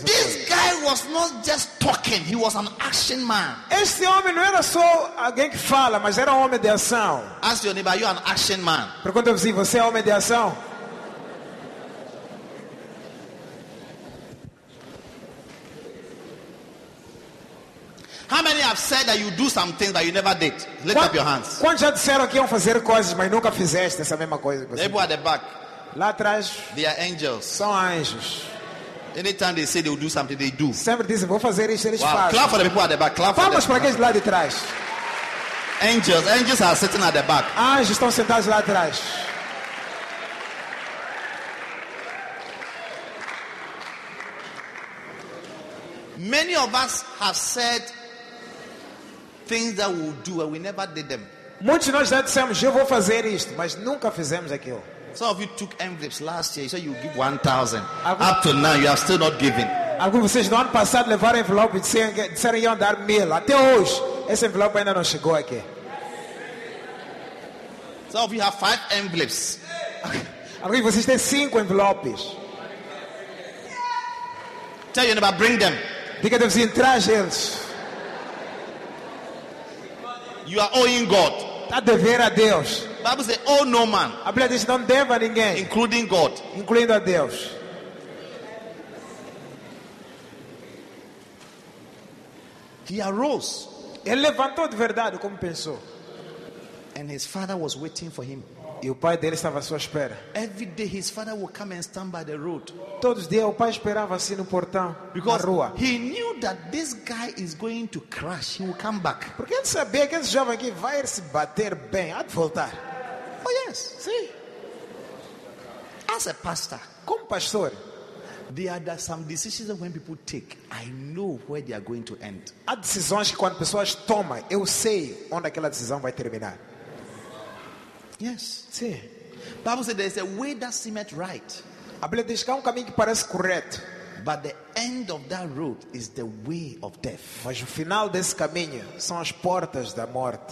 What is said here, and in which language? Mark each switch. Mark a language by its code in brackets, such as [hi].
[en] This guy was not just talking; he was an action man. [pt] Este homem não era só alguém que fala, mas era um homem de ação. [en] Ask your neighbor, are you an action man? [pt] Pergunta se você é homem de ação. [en] How many have said that you do some things that you never did? Lift up your hands. [pt] Quando já disseram que iam fazer coisas, mas nunca fizeste essa mesma coisa. [en] They were at the back. [pt] Lá atrás. [en] They are angels. [pt] São anjos. [en] Anytime they say they will do something, they do. [pt] Sempre dizem vou fazer isso, eles fazem. [en] Clap for the people at the back. Clap for them. [pt] Vamos para aqueles lá de trás. [en] Angels. Angels are sitting at the back. [pt] Anjos estão sentados lá atrás. [en] Many of us have said things that we'll do and we never did them. [pt] Muitos de nós já dissemos eu vou fazer isto, mas nunca fizemos aquilo. [en] Some of you took envelopes last year. You said you give 1,000. Up to now, you are still not giving. [pt] Alguns de vocês no ano passado levaram envelope e disseram iam dar 1,000. Até hoje, esse envelope ainda não chegou aqui. [en] Some of you have 5 envelopes. [pt] Alguns de vocês têm 5 envelopes. [en] Tell your neighbor, bring them. [pt] Diga a vizinho, traz eles. [en] You are owing God. [pt] A dever a Deus. [en] Bible says, owe no man. [pt] A Bíblia diz, não deva ninguém. [en] Including God. [pt] Incluindo a Deus. [en] He arose. [pt] Ele levantou de verdade, como pensou. [en] And his father was waiting for him. [pt] E o pai dele estava à sua espera. [en] Every day his father would come and stand by the road. [pt] Todos os dias o pai esperava assim no portão, [en] because [pt] na rua. [en] He knew that this guy is going to crash. He will come back. [pt] Porque ele sabia que esse jovem aqui vai se bater bem, há de voltar. [en] Oh yes, see. As a pastor, [pt] como pastor, [en] there are some decisions that when people take, I know where they are going to end. [pt] Há decisões que quando pessoas tomam, eu sei onde aquela decisão vai terminar. [en] Yes. See. Bible says there is a way that seemeth right. [pt] A Bíblia diz que há um caminho que parece correto. [en] But the end of that road is the way of death. [pt] Mas o final desse caminho são as portas da morte.